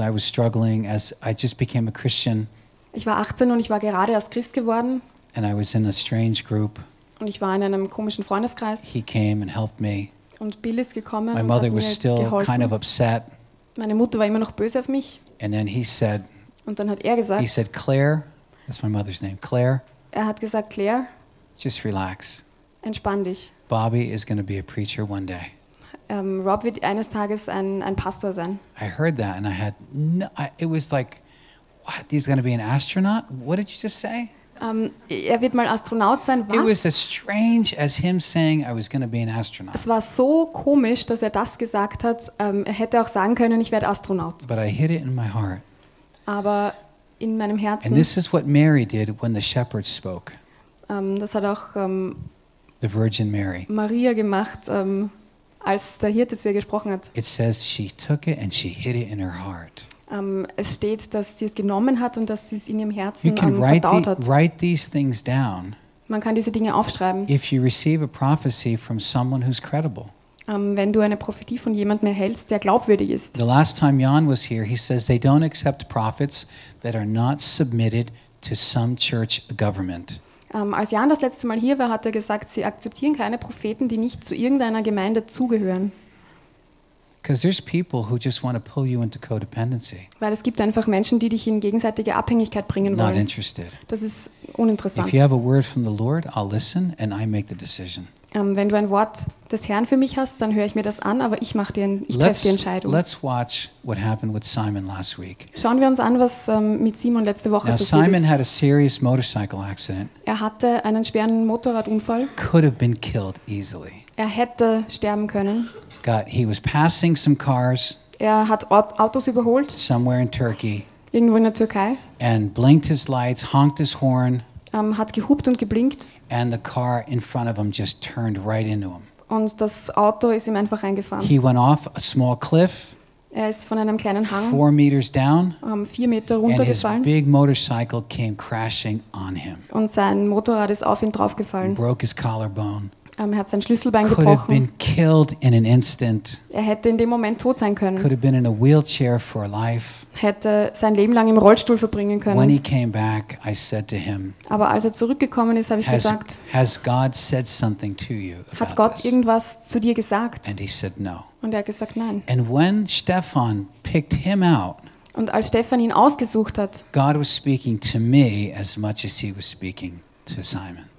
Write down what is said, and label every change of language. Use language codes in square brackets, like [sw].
[en] I was struggling as I just became a Christian. [de] Ich war 18 und ich war gerade erst Christ geworden. [en] And I was in a strange group. [de] Und ich war in einem komischen Freundeskreis. [en] He came and helped me. [de] Und Bill ist gekommen. [en] My mother [de] und hat [en] was [de] mir [en] still [de] geholfen. [en] Kind of upset. [de] Meine Mutter war immer noch böse auf mich. [en] And then he said, [de] und dann hat er gesagt, [en] he said, Claire, that's my mother's name, Claire. [de] Er hat gesagt, Claire, [en] just relax. [de] Entspann dich. [en] Bobby is going to be a preacher one day. [de] Rob wird eines Tages ein Pastor sein. [en] I heard that and I had no, it was like, what? He's going to be an astronaut? What did you just say? [de] Er wird mal Astronaut sein. Was? [en] It was as strange as him saying I was going to be an astronaut. [de] Es war so komisch, dass er das gesagt hat. Er hätte auch sagen können, ich werde Astronaut. [en] But I hid it in my heart. [de] Aber in meinem Herzen. [en] And this is what Mary did when the shepherds spoke. [de] Das hat auch [en] the Virgin Mary. [de] Maria gemacht, als der Hirte zu ihr gesprochen hat. [en] It says she took it and she hid it in her heart. [de] Es steht, dass sie es genommen hat und dass sie es in ihrem Herzen verdaut hat. [en] Write these things down. [de] Man kann diese Dinge aufschreiben. [en] If you receive a prophecy from someone who's credible. [de] Wenn du eine Prophetie von jemandem erhältst, der glaubwürdig ist. [en] The last time Jan was here, he says they don't accept prophets that are not submitted to some church government. [de] Als Jan das letzte Mal hier war, hat er gesagt, sie akzeptieren keine Propheten, die nicht zu irgendeiner Gemeinde zugehören. [en] Because there's people who just want to pull you into codependency. [de] Weil es gibt einfach Menschen, die dich in gegenseitige Abhängigkeit bringen wollen. [en] Not interested. [de] Das ist uninteressant. [en] If you have a word from the Lord, I'll listen and I make the decision. [de] Wenn du ein Wort des Herrn für mich hast, dann höre ich mir das an, aber ich treffe die Entscheidung. [en] Let's watch what happened with Simon last week. [de] Schauen wir uns an, was mit Simon letzte Woche passiert ist. [en] Simon had a serious motorcycle accident. [de] Er hatte einen schweren Motorradunfall. [en] Could have been killed easily. [de] Er hätte sterben können. [en] He was passing some cars. [de] Er hat Autos überholt. [en] Somewhere in Turkey. [de] Irgendwo in der Türkei. [en] And blinked his lights, honked his horn. [de] Hat gehupt und geblinkt. [en] And the car in front of him just turned right into him. [de] Und das Auto ist ihm einfach reingefahren. [en] He went off a small cliff. [de] Er ist von einem kleinen Hang. [en] 4 meters down. [de] 4 Meter runtergefallen. [en] And his big motorcycle came crashing on him. [de] Und sein Motorrad ist auf ihn draufgefallen. [en] Broke his collarbone. [de] Er hat sein Schlüsselbein [en] Could [de] gebrochen. [en] Could have been killed in an instant. [de] Er hätte in dem Moment tot sein können. [en] Could have been in a wheelchair for life. [de] Hätte sein Leben lang im Rollstuhl verbringen können. [en] When he came back, I said to him, [de] aber als er zurückgekommen ist, habe ich gesagt, [en] has God said something to you about [de] hat Gott [en] this? [de] Irgendwas zu dir gesagt? [en] And he said, no. [de] Und er hat gesagt, nein. [en] And when Stefan picked him out, [de] und als Stefan ihn ausgesucht hat, [en] God was speaking to me as much as he was speaking to Simon.